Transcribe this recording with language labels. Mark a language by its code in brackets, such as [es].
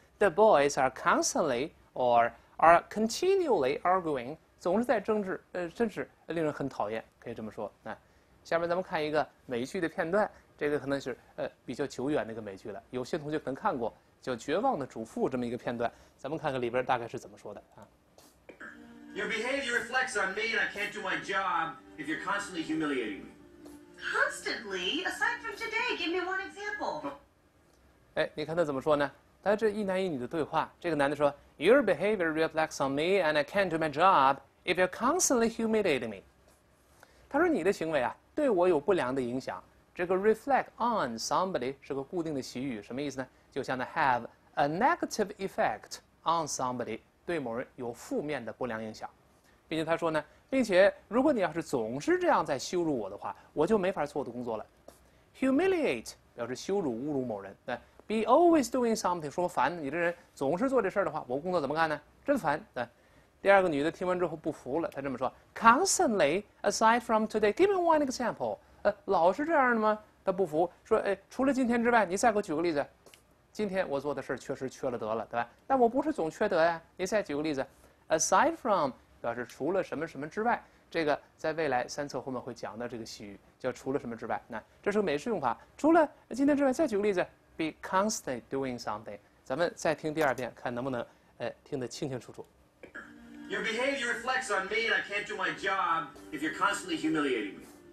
[en] The boys are constantly or are continually arguing， [zh] 总是在争执，真是令人很讨厌，可以这么说。下面咱们看一个美剧的片段，这个可能是比较久远的一个美剧了，有些同学可能看过，叫《绝望的主妇》这么一个片段，咱们看看里边大概是怎么说的啊。 [en] Your behavior reflects on me and I can't do my job if you're constantly humiliating me. Constantly? Aside from today, give me one example. [zh] 你看他怎么说呢？但是这一男一女的对话，这个男的说 [en] Your behavior reflects on me and I can't do my job if you're constantly humiliating me. [zh] 他说你的行为啊，对我有不良的影响。这个 reflect on somebody 是个固定的习语，什么意思呢？就像 [en] have a negative effect on somebody， [zh] 对某人有负面的不良影响。并且他说呢，并且如果你要是总是这样在羞辱我的话，我就没法做我的工作了。 Humiliate 表示羞辱侮辱某人，对， [en] Be always doing something， [zh] 说烦你这人总是做这事儿的话，我工作怎么干呢？真烦。第二个女的听完之后不服了，她这么说 ： [en] Constantly aside from today， give me one example。 [zh] 老是这样的吗？她不服，说：除了今天之外，你再给我举个例子。今天我做的事儿确实缺了德了，对吧？但我不是总缺德呀。你再举个例子 ，aside from 表示除了什么什么之外。这个在未来三册后面会讲到这个习语，叫除了什么之外。那这是个美式用法，除了今天之外，再举个例子。 [en] Be constantly doing something. [zh] 咱们再听第二遍，看能不能，听得清清楚楚。 [en] Your behavior reflects on me, and I can't do my job if you're constantly humiliating me.